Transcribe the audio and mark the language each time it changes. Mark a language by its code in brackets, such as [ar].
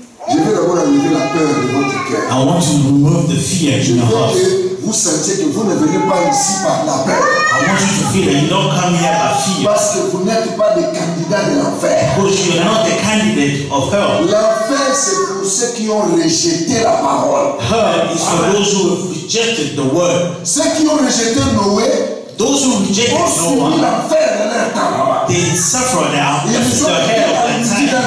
[fr] Je veux d'abord enlever la peur de votre cœur. [en] I want to remove the fear in your heart. [fr] Vous sentez que vous ne venez pas ici par la peur. [en] I want you to feel that you don't come here by fear. [fr] Parce que vous n'êtes pas des candidats de l'enfer. [en] Because you are not a candidate of hell. [fr] L'enfer c'est pour ceux qui ont rejeté la parole. [en] Hell is for those who have rejected the word. [fr] Ceux qui ont rejeté Noé, [en] those who rejected Noah, [fr] ont suivi l'enfer dans leur temps. [en] They suffered after the hell of that time.